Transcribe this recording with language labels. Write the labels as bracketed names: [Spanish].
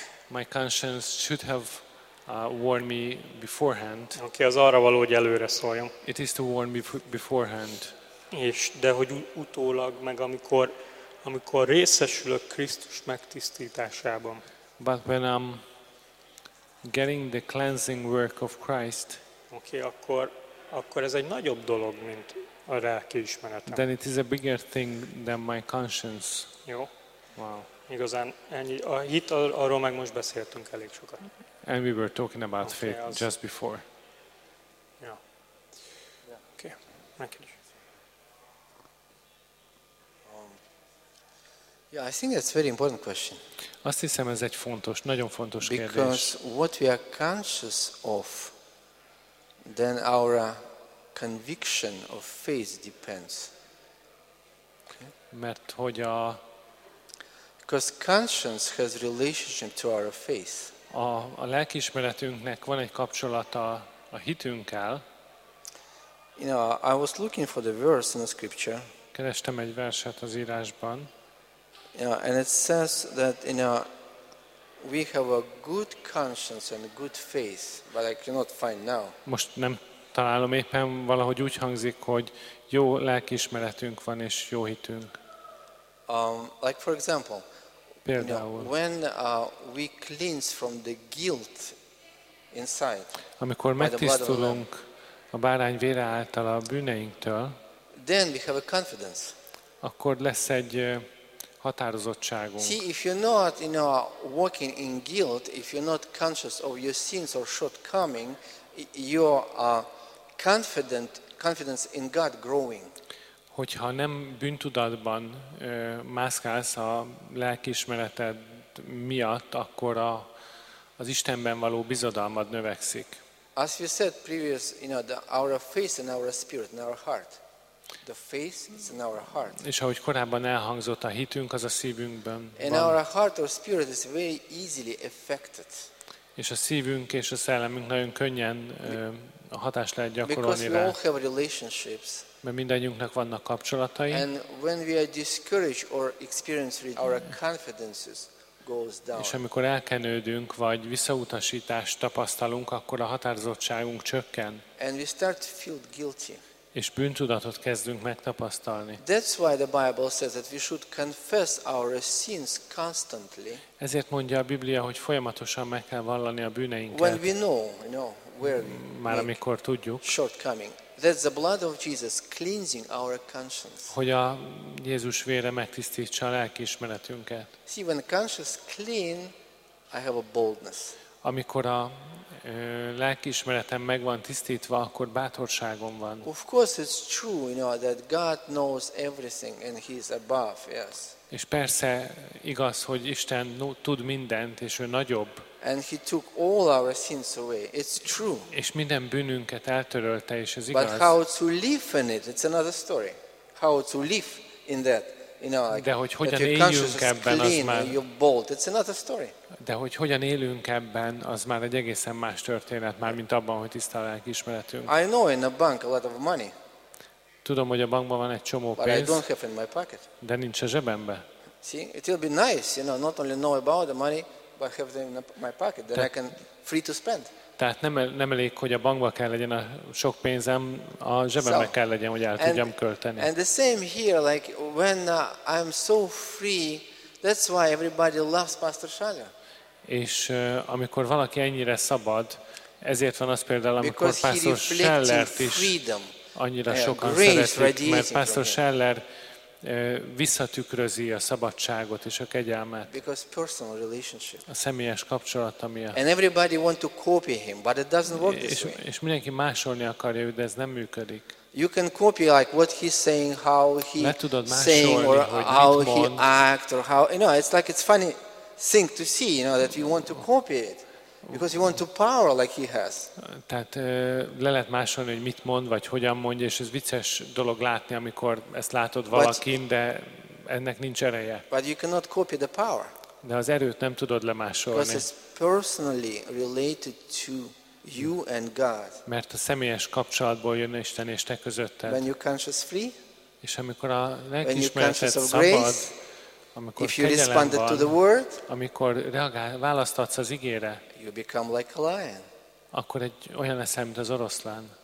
[English] My conscience should have warned me beforehand. [Hungarian] Okay, az arra való, hogy előre szóljon. [English] It is to warn me beforehand. [Hungarian] És de hogy utólag meg amikor részesülök Krisztus megtisztításában. [English] But when I'm getting the cleansing work of Christ. [Hungarian] Okay, akkor ez egy nagyobb dolog, mint a lelki ismeretem. [English] Then it is a bigger thing than my conscience. [Hungarian] Jó. [English] Wow. [Hungarian] Igazán ennyi. A hit arról meg most beszéltünk elég sokat. [English] And we were talking about faith just before. Ja. Okay. Thank you. Yeah, I think that's a very important question. [Hungarian] Azt hiszem, ez egy fontos, nagyon fontos [English] because [Hungarian] kérdés. [English] Because what we are conscious of, then our conviction of faith depends. [Hungarian] Okay. Mert hogy a [English] because conscience has relationship to our faith. [Hungarian] A lelkiismeretünknek van egy kapcsolata a hitünkkel. [English] You know, I was looking for the verse in the scripture. [Hungarian] Kerestem egy verset az írásban. [English] Yeah, and it says that you know we have a good conscience and a good faith, but I cannot find now. [Hungarian] Most nem találom éppen, valahogy úgy hangzik, hogy jó lelkiismeretünk van és jó hitünk. [English] Like for example, [Hungarian] például, [English] you know, when we cleanse from the guilt inside. [Hungarian] Amikor megtisztulunk a bárány vére által a bűneinktől. [English] Then we have a confidence. [Hungarian] Akkor lesz egy határozottságunk. [English] See, if you're not, you know, walking in guilt, if you're not conscious of your sins or shortcoming, your confidence in God growing. [Hungarian] Hogyha nem bűntudatban mászkálsz a lelkiismereted miatt, akkor az Istenben való bizodalmad növekszik. [English] As we said previous, you know, our faith and our spirit and our heart. The faith is in our heart. [Hungarian] És ahogy korábban elhangzott, a hitünk az a szívünkben van. [English] And our heart or spirit is very easily affected. [Hungarian] És a szívünk és a szellemünk nagyon könnyen hatást lehet gyakorolni rá. [English] Because we all have relationships. [Hungarian] Mert mindannyiunknak vannak kapcsolatai. [English] And when we are discouraged or experience it, our confidence goes down. [Hungarian] És amikor elkenődünk vagy visszautasítást tapasztalunk, akkor a határozottságunk csökken. [English] And we start to feel guilty. [Hungarian] és bűntudatot kezdünk megtapasztalni. [English] That's why the Bible says that we should confess our sins constantly. [Hungarian] Ezért mondja a Biblia, hogy folyamatosan meg kell vallani a bűneinket. [English] When we know, you know, where we [Hungarian] már amikor tudjuk. [English] Shortcoming. That's the blood of Jesus cleansing our conscience. [Hungarian] Hogy a Jézus vére megtisztítsa a lelkiismeretünket. [English] See, when the conscience clean, I have a boldness. [Hungarian] Amikor a lelkiismeretem meg van tisztítva, akkor bátorságom van. [English] Of course it's true, you know, that God knows everything and he is above, yes. [Hungarian] És persze igaz, hogy Isten tud mindent, és ő nagyobb. [English] And he took all our sins away. It's true. [Hungarian] És minden bűnünket eltörölte, és ez igaz. [English] But how to live in it? It's another story. How to live in that? [Hungarian] De hogy hogyan éljünk ebben, az már. [English] It's another story. [Hungarian] De hogy hogyan élünk ebben, az már egy egészen más történet, már mint abban, hogy tiszta a lelkiismeretünk. [English] I know in a bank a lot of money. [Hungarian] Tudom, hogy a bankban van egy csomó pénz. [English] But I don't have in my pocket. [Hungarian] De nincs a zsebembe. [English] See, it will be nice, you know, not only know about the money, but have them in my pocket that I can free to spend. [Hungarian] Tehát nem elég, hogy a bankban kell legyen a sok pénzem, a zsebemben kell legyen, hogy el tudjam költeni. [English] And the same here, like when I'm so free, that's why everybody loves Pastor Shaga. [Hungarian] És amikor valaki ennyire szabad, ezért van az például, amikor Pastor Schellert is annyira sokan szeretik, mert Pastor Scheller visszatükrözi a szabadságot és a kegyelmet. [English] Because personal relationship. [Hungarian] A személyes kapcsolata miatt. [English] And everybody want to copy him, but it doesn't work this way. [Hungarian] És mindenki másolni akarja, de ez nem működik. [English] You can copy like what he's saying, how he saying or how he act or how, you know, it's like it's funny thing to see, you know, that you want to copy it. Because you want to power like he has. [Hungarian] Tehát le lehet másolni, hogy mit mond, vagy hogyan mondja, és ez vicces dolog látni, amikor ezt látod valakin, de ennek nincs ereje. [English] But you cannot copy the power. [Hungarian] De az erőt nem tudod lemásolni. [English] Because it's personally related to you and God. [Hungarian] Mert a személyes kapcsolatból jön Isten és te közötted. [English] When you're conscious free. [Hungarian] És amikor a lelkiismereted szabad. Amikor [English] if you responded to the word, [Hungarian] amikor választ adsz az igére, [English] you become like a lion. [Hungarian] Akkor egy olyan leszel, mint az oroszlán.